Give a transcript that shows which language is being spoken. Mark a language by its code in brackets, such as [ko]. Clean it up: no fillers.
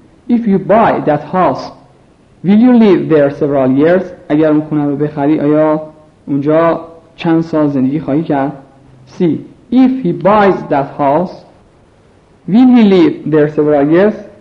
[en] If you buy that house, will you live there several years? [fa] اگر اون خونه رو بخری آیا اونجا چند سال زندگی خواهی کرد؟ C. [en] If he buys that house, will he live there several years?